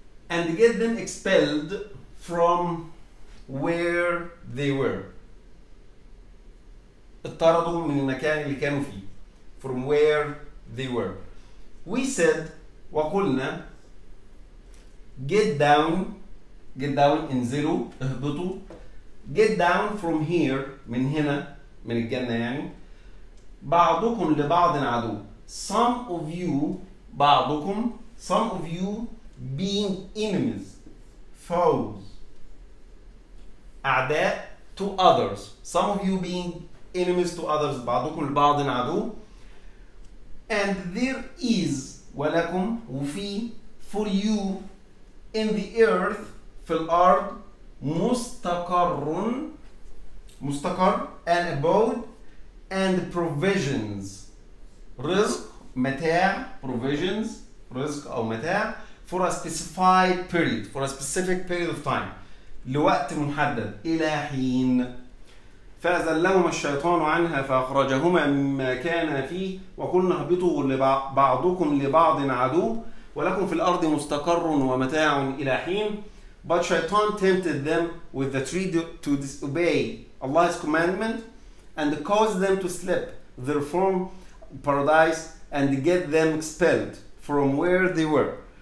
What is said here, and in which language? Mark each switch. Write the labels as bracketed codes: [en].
[en] and get them expelled from where they were. [ar] اطردوا من المكان اللي كانوا فيه. [en] from where they were. We said, [ar] وقلنا, [en] get down, [ar] انزلوا, اهبطوا, [en] get down from here, [ar] من هنا, من الجنة يعني, بعضكم لبعض عدو. [en] Some of you, [ar] بعضكم, [en] some of you being enemies, foes, أعداء to others. Some of you being enemies to others, [ar] بعضكم لبعض عدو. [en] And there is [ar] ولكم وفي [en] for you in the earth [ar] في الأرض مستقر مستقر [en] and abode and provisions [ar] رزق متاع [en] provisions [ar] رزق أو متاع [en] for a specified period for a specific period of time [ar] لوقت محدد إلى حين. فأزلهما الشيطان عنها فأخرجهما مما كان فيه وقلنا اهبطوا لبعضكم لبعض عدو ولكم في الأرض مستقر ومتاع إلى حين. [en] But Shaitan tempted them with the tree to disobey Allah's commandment and caused them to slip their form paradise and get them expelled from where they were.